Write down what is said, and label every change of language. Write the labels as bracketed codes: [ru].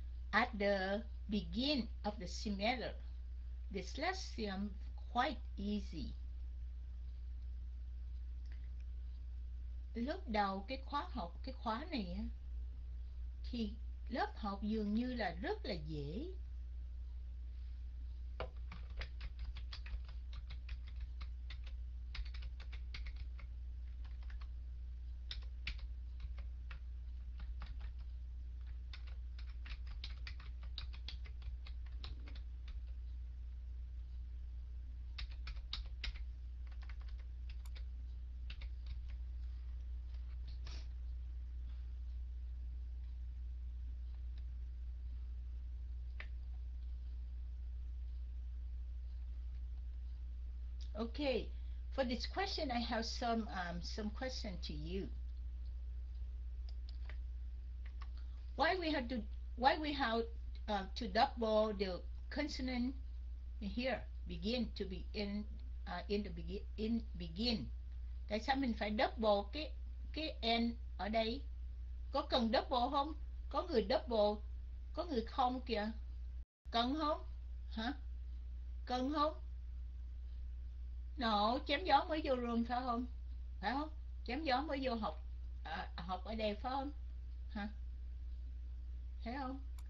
[en] At the begin of the semester, this last seemed quite easy. [vi] Lúc đầu cái khóa học, cái khóa này á, thì lớp học dường như là rất là dễ. [en] Okay, for this question, I have some question to you. Why we have to double the consonant here? Begin to be in begin. [vi] Tại sao mình phải double cái n ở đây? Có cần double không? Có người double, có người không kìa. Cần không? Hả? cần không? Nó chém gió mới vô rừng phải không? Phải không? Chém gió mới vô học học ở đây phải không? Hả? Thấy không?